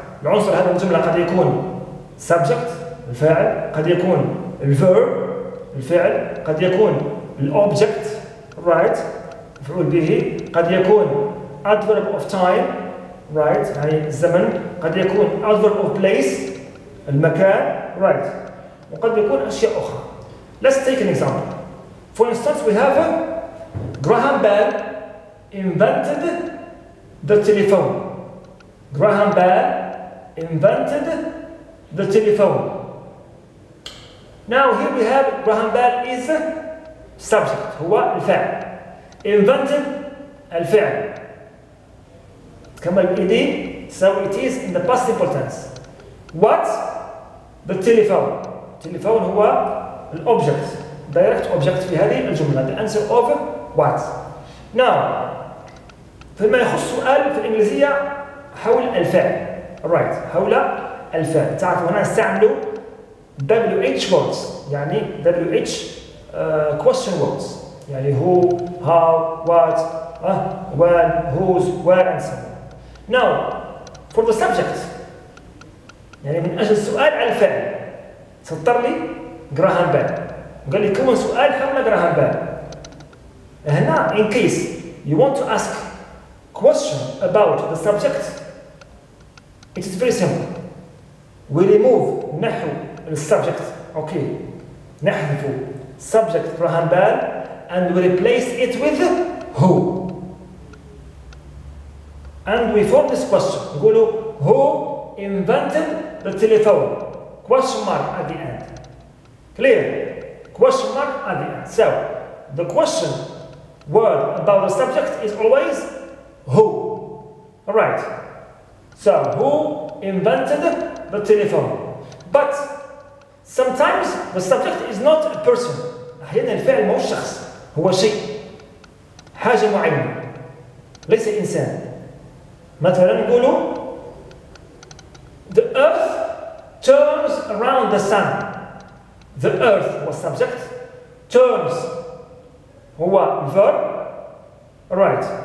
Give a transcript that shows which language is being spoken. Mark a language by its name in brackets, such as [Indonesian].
[Arabic] العنصر هذا الجملة قد يكون subject الفاعل، قد يكون verb الفعل، قد يكون object right مفعول به، قد يكون adverb of time right يعني الزمن، قد يكون adverb of place المكان right، وقد يكون أشياء أخرى. [English] Let's take an example. For instance, we have Graham Bell invented the telephone. Graham Bell invented the telephone. Now here we have Graham Bell is subject. [Arabic] هو الفعل. Invented الفعل. تكمل ED. [English] So it is in the past simple tense. What? The telephone. Telephone [Arabic] هو الobject. Direct object في هذه الجملة. [English] The answer of What? [Arabic] Now, فيما يخص سؤال في الإنجليزية حول الفعل. Right. حول الفعل. تعرفوا هنا استعملوا WH words. يعني WH question words. يعني [English] who, how, what, when, whose, where, and so on. Now, for the subject. [Arabic] يعني من أجل السؤال على الفعل. سطر لي Graham Bell. قال لي كون سؤال حول Graham Bell. [English] هنا in case you want to ask question about the subject it is very simple we remove [Arabic] نحو السبجكت okay نحذف [English] subject Graham Bell and we replace it with who and we form this question [Arabic] نقولوا [English] who invented the telephone question mark at the end clear question mark at the end so the question Word about the subject is always who. All right. So who invented the telephone? But sometimes the subject is not a person. [Arabic] أحيانا الفعل مو شخص هو شيء حاجة معينة ليس إنسان. مثلا نقوله [English] the earth turns around the sun. The earth was subject. Turns [Arabic] هو [English] verb. Right.